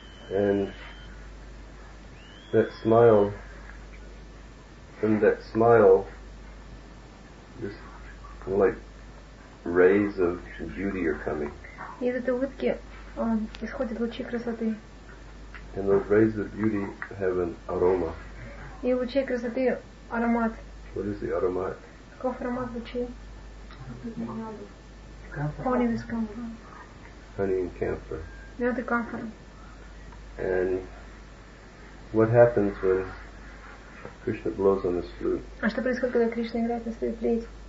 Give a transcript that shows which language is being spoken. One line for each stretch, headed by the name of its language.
English: And that smile, from that smile, just like rays of beauty are coming.
Russian: Из этой улыбки исходят лучи красоты.
English: And those rays of beauty have an aroma.
Russian: И лучи красоты аромат.
English: What is the aromat?
Russian: Каков аромат лучи?
English: Honey and camphor. Honey and camphor.
Russian: Мед и камфор.
English: And what happens when Krishna blows on his flute?
Russian: А что происходит, когда Кришна играет на своей флейте?